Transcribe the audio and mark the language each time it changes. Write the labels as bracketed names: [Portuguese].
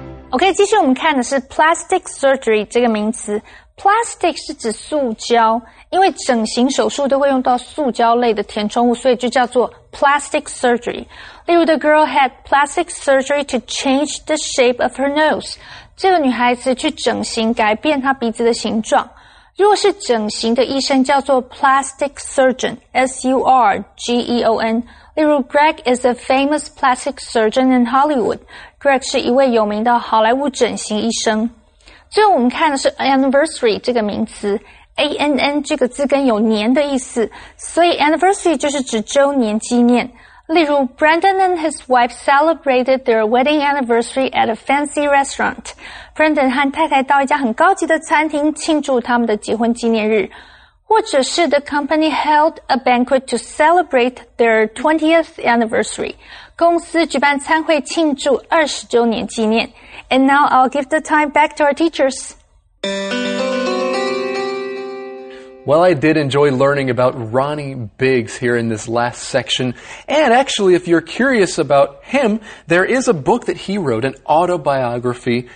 [English] OK, [Chinese] 继续我们看的是 plastic surgery 这个名词。 Plastic 是指塑胶，因为整形手术都会用到塑胶类的填充物，所以就叫做 plastic surgery。 [English] 例如 the girl had plastic surgery to change the shape of her nose。 [Chinese] 这个女孩子去整形改变她鼻子的形状。如果是整形的医生叫做 plastic surgeon, S-U-R-G-E-O-N。 [English] 例如 Greg is a famous plastic surgeon in Hollywood。 [Chinese] Greg 是一位有名的好莱坞整形医生。最后我们看的是 anniversary 这个名词。 A-N-N 这个字根有年的意思。所以 anniversary 就是指周年纪念。 [English] 例如 Brandon and his wife celebrated their wedding anniversary at a fancy restaurant. [Chinese] Brandon 和太太到一家很高级的餐厅庆祝他们的结婚纪念日。或者是 [English] the company held a banquet to celebrate their 20th anniversary. [Chinese] 公司举办餐会庆祝20周年纪念。 [English] And now I'll give the time back to our teachers. Well, I did enjoy learning about Ronnie Biggs here in this last section. And actually, if you're curious about him, there is a book that he wrote, an autobiography.